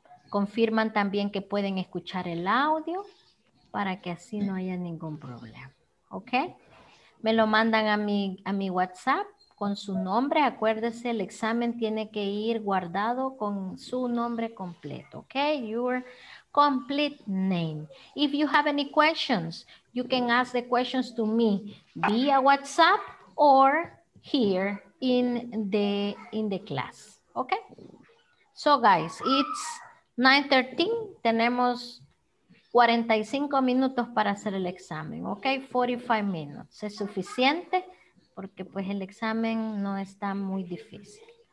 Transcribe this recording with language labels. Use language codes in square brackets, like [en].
[es] Confirman también que pueden escuchar el audio para que así no haya ningún problema, ok. Me lo mandan a mi WhatsApp con su nombre. Acuérdese, el examen tiene que ir guardado con su nombre completo. [en] Okay, your complete name. If you have any questions, you can ask the questions to me via WhatsApp or here in the class. Okay? So guys, it's 9:13. [es] Tenemos 45 minutos para hacer el examen, ok, 45 minutos, es suficiente porque pues el examen no está muy difícil.